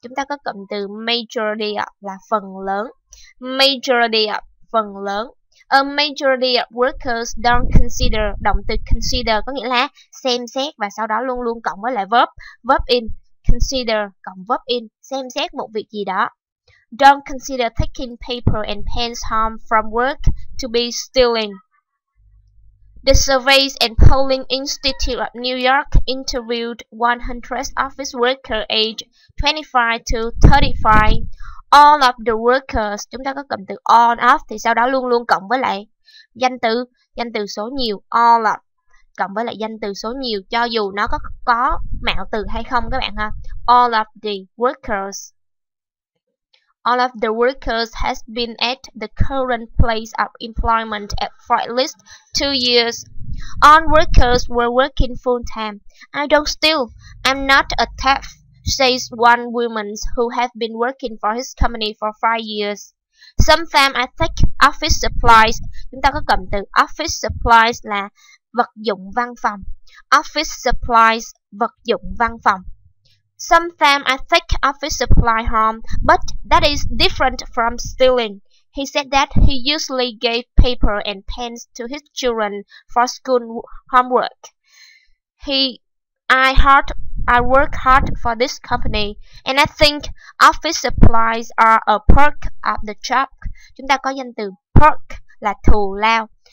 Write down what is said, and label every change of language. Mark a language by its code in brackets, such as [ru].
[vi] Chúng ta có cụm từ majority of là phần lớn. Majority of, phần lớn. [en] A majority of workers don't consider, [vi] động từ consider có nghĩa là xem xét và sau đó luôn luôn cộng với lại verb, verb in, consider cộng verb in, xem xét một việc gì đó. [en] Don't consider taking paper and pens home from work to be stealing. The Surveys and Polling Institute of New York interviewed 100 office workers aged 25 to 35. All of the workers, [vi] chúng ta có cụm từ all of thì sau đó luôn luôn cộng với lại danh từ số nhiều, all of, cộng với lại danh từ số nhiều cho dù nó có mạo từ hay không các bạn ha. [en] All of the workers, all of the workers has been at the current place of employment at for at least 2 years. All workers were working full time. I don't steal, I'm not a theft, says one woman who has been working for his company for 5 years. Sometimes I take office supplies. [vi] Chúng ta có cụm từ office supplies là vật dụng văn phòng. Office supplies, vật dụng văn phòng. [en] Sometimes I take office supply home, but that is different from stealing. He said that he usually gave paper and pens to his children for school homework. I work hard for this company, and I think office supplies are a perk of the job. [vi] Chúng ta có danh từ perk là thù lao.